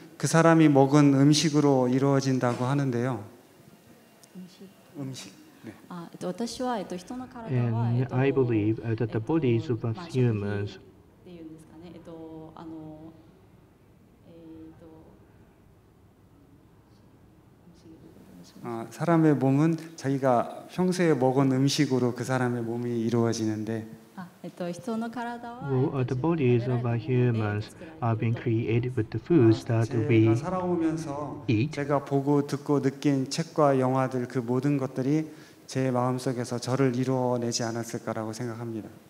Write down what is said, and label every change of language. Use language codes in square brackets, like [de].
[ko] 그 사람이 먹은 음식으로 이루어진다고 하는데요. 음식. [en] And I believe that the bodies of humans are being created with the foods that we eat. [ko] 제가 보고 듣고 느낀 책과 영화들 그 모든 것들이 제 마음속에서 저를 이루어내지 않았을까라고 생각합니다.